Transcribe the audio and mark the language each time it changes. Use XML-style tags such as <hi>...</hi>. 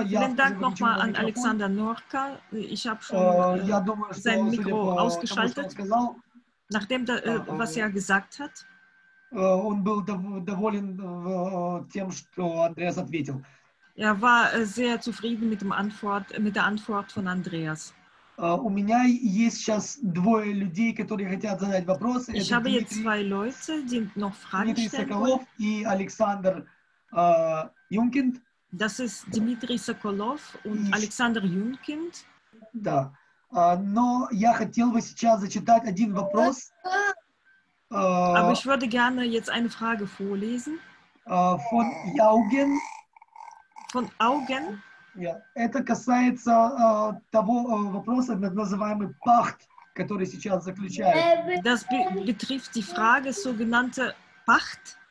<ru>Я думаю, что</ru> <de>sein Mikro ausgeschaltet, nachdem was er gesagt hat.</de> <ru>Он был доволен тем, что Андреас ответил.</ru> <de>Er war sehr zufrieden mit der Antwort von Andreas.</de> <ru>У меня есть сейчас двое людей, которые хотят задать вопросы.</ru> <de>Ich habe jetzt zwei Leute, die noch Fragen stellen.</de> <ru>Дмитрий Соколов и Александр Юнкинд.</ru> <de>Das ist Dmitri Sokolov und Alexander Юнкинд.</de> <ru>Да. Но я хотел бы сейчас зачитать один вопрос.</ru> <de>Aber ich würde gerne jetzt eine Frage vorlesen. Von Augen. Von Augen. Yeah.</de> <ru>Это касается того вопроса, так называемый пахт, который сейчас заключают.</ru> <de>Das betrifft die Frage, sogenannte Pacht.</de>